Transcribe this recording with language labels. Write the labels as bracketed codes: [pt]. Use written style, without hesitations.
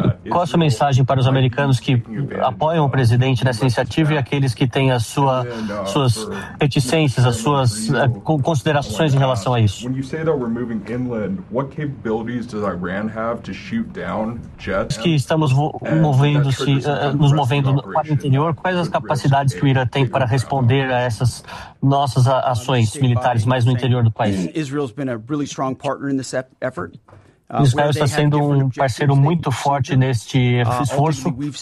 [pt] Qual a sua mensagem para os americanos que apoiam o presidente nessa iniciativa e aqueles que têm suas reticências, as suas considerações em relação a isso? Quando você diz que estamos [en] moving inland, what capabilities does Iran have to shoot down jets? [pt] Que estamos nos movendo para o interior, quais as capacidades que o Irã tem para responder a essas nossas ações militares mais no interior do país? [en] Israel has been a really strong partner in this effort. [pt] Israel está sendo um parceiro muito forte neste esforço.